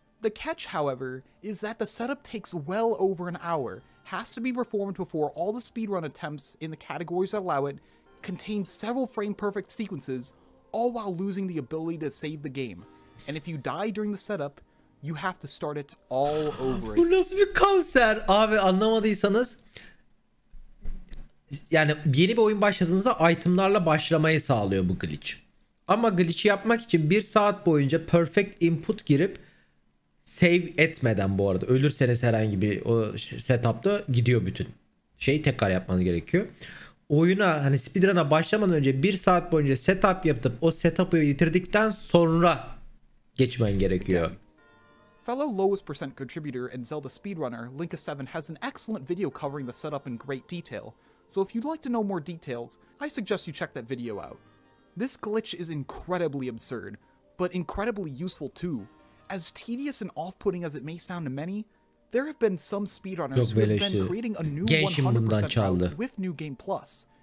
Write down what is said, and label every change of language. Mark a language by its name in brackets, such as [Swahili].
[English] The catch, however, is that the setup takes well over an hour, has to be performed before all the speedrun attempts in the categories that allow it, contains several frame-perfect sequences, all while losing the ability to save the game. And if you die during the setup, you have to start it all over. [Turkish] Bu nasıl bir kanser? Abi anlamadıysanız, yani yeni bir oyun başladığınızda itemlarla başlamayı sağlıyor bu glitch. Ama glitch'i yapmak için 1 saat boyunca perfect input girip save etmeden, bu arada ölürseniz herhangi bir o setup'ta gidiyor bütün şey, tekrar yapmanız gerekiyor. Oyuna, hani speedrun'a başlamadan önce 1 saat boyunca setup yapıp o setup'ı yitirdikten sonra geçmen gerekiyor. [English] Fellow lowest percent contributor and Zelda speedrunner Linka7 has an excellent video covering the setup in great detail. So if you'd like to know more details, I suggest you check that video out. This glitch is incredibly absurd, but incredibly useful too. As tedious and off-putting as it may sound to many, there have been some speedrunners who have been creating a new 100% route with New Game Plus.